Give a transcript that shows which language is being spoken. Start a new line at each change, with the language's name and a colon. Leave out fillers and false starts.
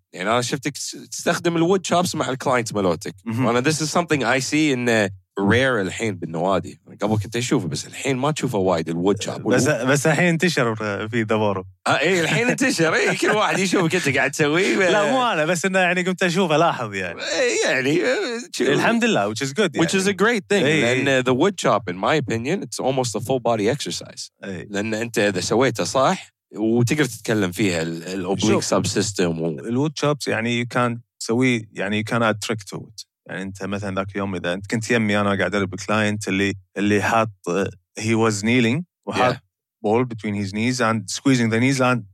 Arabic: يعني أنا شفتك تستخدم الwood chops مع الكلاينت مالوتك. وأنا
English: this is something I see
Arabic: إن رير الحين بالنوادي، قبل كنت اشوفه بس الحين ما تشوفه وايد الوود شوب. بس الحين انتشر في دوره. اي الحين انتشر، اي كل واحد يشوف كنت قاعد تسويه. لا مو انا بس انه يعني قمت اشوفه لاحظ يعني. يعني الحمد لله
English: which is good which is a great thing.
Arabic: لان
English: the wood chop in my opinion it's almost a full body exercise.
Arabic: لان انت اذا سويته صح وتقدر تتكلم فيها الاوبليك سب سيستم والوود شوبس يعني
English: you can
Arabic: سوي يعني
English: you can add trick to it.
Arabic: يعني انت مثلا ذاك اليوم اذا انت كنت يمي انا قاعد ادرب كلاينت اللي حاط
English: he was kneeling
Arabic: وحاط
English: ball between his knees and squeezing the knees and